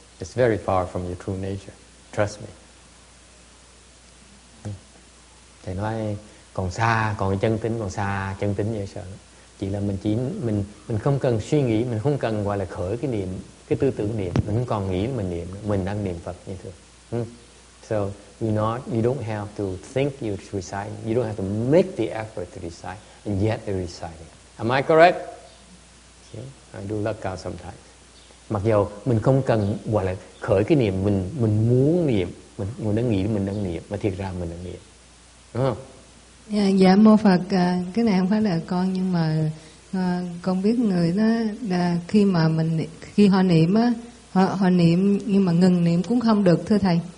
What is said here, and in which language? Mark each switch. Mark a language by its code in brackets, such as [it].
[en] It's very far from your true nature. Trust me. [vi] Thầy nói còn xa, còn chân tính còn xa, chân tính dễ sợ. Chỉ là mình không cần suy nghĩ, mình không cần gọi là khởi cái niệm, cái tư tưởng niệm, mình không còn nghĩ mình niệm, mình đang niệm Phật như thường. [en] So you don't have to think you're reciting, you don't have to make the effort to recite, and yet you're reciting. Am I correct? Okay. I do let go sometimes. [vi] Mặc dù mình không cần gọi là khởi cái niệm, mình muốn niệm, mình đang nghĩ mình đang niệm, mà thiệt ra mình đang niệm. Dạ mô Phật, cái này không phải là con, nhưng mà con biết người đó khi mà mình khi họ niệm á, họ niệm nhưng mà ngừng niệm cũng không được, thưa thầy.